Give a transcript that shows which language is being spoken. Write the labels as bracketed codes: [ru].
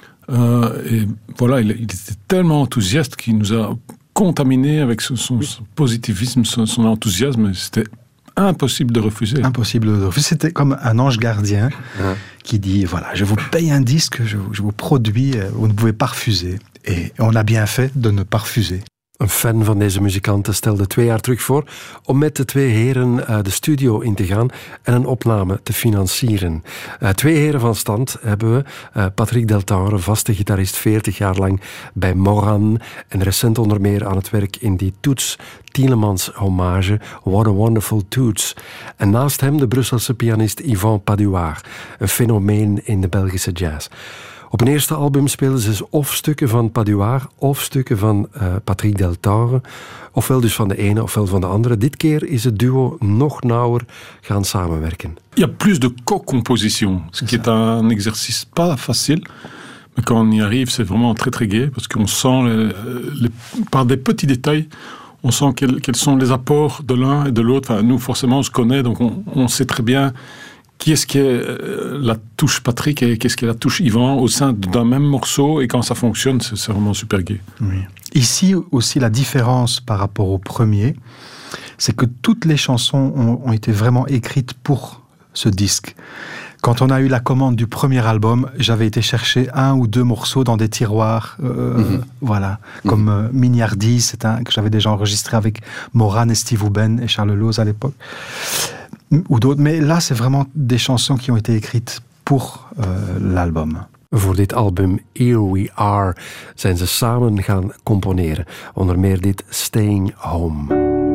[fr] Et voilà, il était tellement enthousiaste qu'il nous a contaminés avec son positivisme, son enthousiasme, c'était... Impossible de refuser. Impossible de refuser. C'était comme un ange gardien qui dit, voilà, je vous paye un disque, je vous produis, vous ne pouvez pas refuser. Et on a bien fait de ne pas refuser. [nl] Een fan van deze muzikanten stelde 2 jaar terug voor om met de twee heren de studio in te gaan en een opname te financieren. Twee heren van stand hebben we. Patrick Deltor, vaste gitarist, 40 jaar lang bij Moran en recent onder meer aan het werk in die Toets Tielemans hommage What a Wonderful Toets. En naast hem de Brusselse pianist Yvan Padouard, een fenomeen in de Belgische jazz. Op een eerste album speelden ze of stukken van Padouard, of stukken van Patrick Deltor. Ofwel dus van de ene, ofwel van de andere. Dit keer is het duo nog nauwer gaan samenwerken. [fr] Il y a plus de co-composition, ce qui est un exercice pas facile. Mais quand on y arrive, c'est vraiment très très gai, parce qu'on sent, par des petits détails, on sent quels sont les apports de l'un et de l'autre. Enfin, nous, forcément, on se connaît, donc on sait très bien... Qui est-ce qui est la touche Patrick et qu'est-ce qui est la touche Yvan au sein d'un même morceau, et quand ça fonctionne, c'est vraiment super gai. Oui. Ici aussi, la différence par rapport au premier, c'est que toutes les chansons ont été vraiment écrites pour ce disque. Quand on a eu la commande du premier album, j'avais été chercher un ou deux morceaux dans des tiroirs, voilà, comme Mignardi, que j'avais déjà enregistré avec Moran et Steve Houben et Charles Lose à l'époque. Ou d'autres, mais là, c'est vraiment des chansons qui ont été écrites pour l'album. [nl] Voor dit album Here We Are zijn ze samen gaan componeren, onder meer dit Staying Home.